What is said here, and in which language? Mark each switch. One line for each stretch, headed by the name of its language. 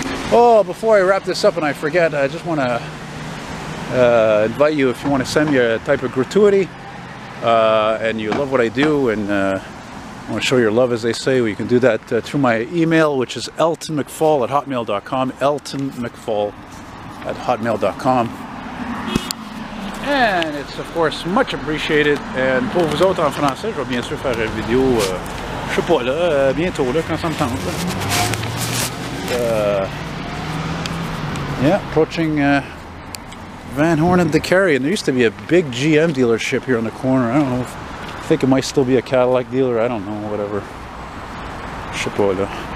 English: Oh, before I wrap this up and I forget, I just want to invite you, if you want to send me a type of gratuity and you love what I do and want to show your love, as they say, well, you can do that through my email, which is eltonmcfall@hotmail.com, eltonmcfall@hotmail.com. And it's, of course, much appreciated.
French: And pour vous autres en français, je vais bien sûr faire une vidéo, je sais pas, là, bientôt, là, quand ça me tente.
English: Yeah, approaching Van Horn and DeCary, and there used to be a big GM dealership here on the corner. I don't know, I think it might still be a Cadillac dealer, I don't know, whatever. Chipola.